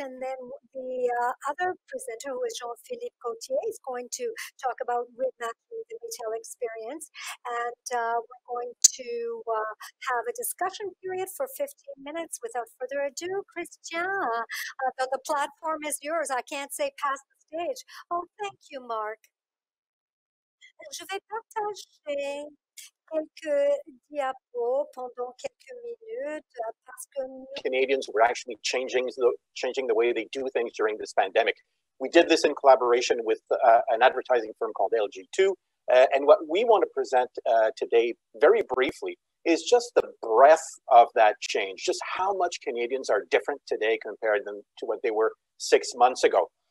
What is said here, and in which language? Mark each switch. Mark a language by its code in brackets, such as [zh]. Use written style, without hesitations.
[en] And then the other presenter, who is Jean-Phillipe Gauthier, is going to talk about reimagining the retail experience. And we're going to have a discussion period for 15 minutes. Without further ado, Christian, the platform is yours. I can't say pass the stage. Oh, thank you, Marc. [fr] Je vais partager quelques diapos pendant quelques minutes parce que nous... [en] Canadians were actually changing the way they do things during this pandemic. We did this in collaboration with an advertising firm called LG2. And what we want to present today, very briefly, is just the breadth of that change, just how much Canadians are different today compared to what they were 6 months ago.